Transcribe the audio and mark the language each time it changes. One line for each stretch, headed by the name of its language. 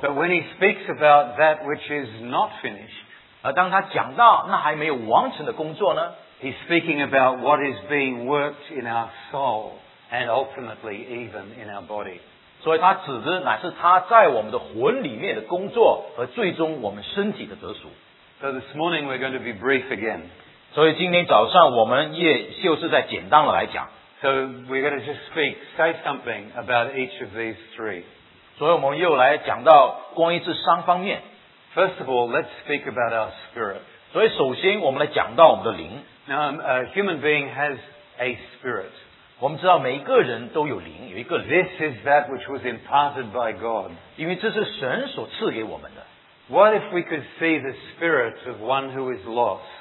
English: But when He speaks about that which is not finished,
Chinese: 而当他讲到那还没有完成的工作呢,
English: He's speaking about what is being worked in our soul and ultimately even in our body.
Chinese: 所以他指的乃是他在我们的魂里面的工作和最终我们身体的得赎。
English: So this morning we're going to be brief again.
Chinese: 所以今天早上我们也就是在简单的来讲。
English: So we're going to just speak, say something about each of these three.
Chinese: 所以我们又来讲到关于这三方面。
English: First of all, let's speak about our spirit.
Chinese: 所以首先我们来讲到我们的灵。
English: Now, a human being has a spirit.
Chinese: 我们知道每一个人都有灵，有一个灵。
English: This is that which was imparted by God.
Chinese: 因为这是神所赐给我们的。
English: What if we could see the spirit of one who is lost?